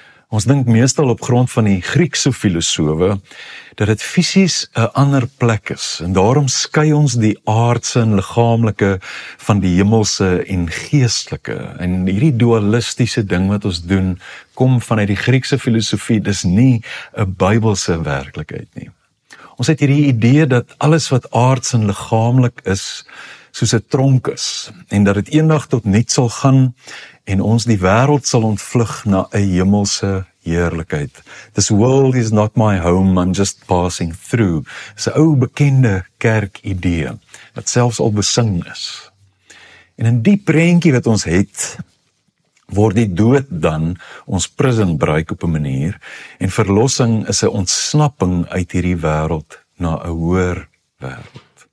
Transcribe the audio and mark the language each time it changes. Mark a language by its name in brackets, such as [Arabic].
[Afrikaans] Ons dink meestal op grond van die Griekse filosowe, dat dit fisies 'n ander plek is, en daarom skei ons die aardse en liggaamlike van die hemelse en geestelike, en hierdie dualistiese ding wat ons doen, kom vanuit die Griekse filosofie, dis nie 'n Bybelse werklikheid nie. Ons het hierdie idee dat alles wat aards en liggaamlik is, soos 'n tronk is, en dat dit eendag tot niks sal gaan, en ons die wêreld sal ontvlug na 'n hemelse heerlikheid. [English] This world is not my home, I'm just passing through. [Afrikaans] Dis 'n ou bekende kerkidee, wat selfs al besing is. En in die prentjie wat ons het, word die dood dan ons prison break op 'n manier, en verlossing is 'n ontsnapping uit hierdie wêreld na 'n hoër wêreld.